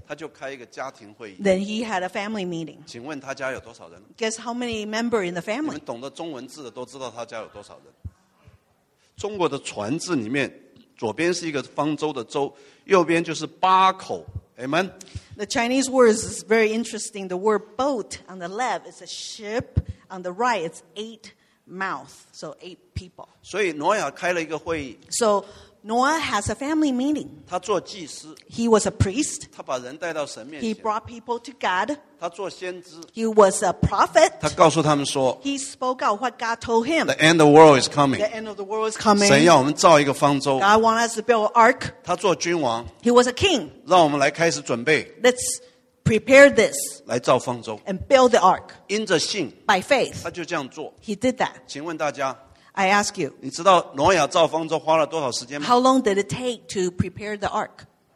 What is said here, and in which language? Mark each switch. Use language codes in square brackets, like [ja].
[zh] 他就开一个家庭会议。 [en] Then he had a family meeting. [zh] 请问他家有多少人？ [en] Guess how many members in the family? [zh] 你们懂得中文字的都知道他家有多少人。中国的传字里面左边是一个方舟的舟，右边就是八口。 [en] Amen. The Chinese word is very interesting. The word boat on the left is a ship. On the right, it's eight mouths. So eight people. [zh] 所以挪亚开了一个会议。 [en] So Noah has a family meeting. [zh] 他做祭司。 [en] He was a priest. [zh] 他把人带到神面前。 [en] He brought people to God. [zh] 他做先知。 [en] He was a prophet. [zh] 他告诉他们说。 [en] He spoke out what God told him. The end of the world is coming. The end of the world is coming. [zh] 神要我们造一个方舟。 [en] God wants us to build an ark. [zh] 他做君王。 [en] He was a king. [zh] 让我们来开始准备。 [en] Let's prepare this. [zh] 来造方舟。 [en] And build the ark. [zh] 因着信。 [en] By faith. [zh] 他就这样做。 [en] He did that. [zh] 请问大家。 [en] I ask you. [zh] 你知道挪亚造方舟花了多少时间吗？ [en] How long did it take to prepare the ark?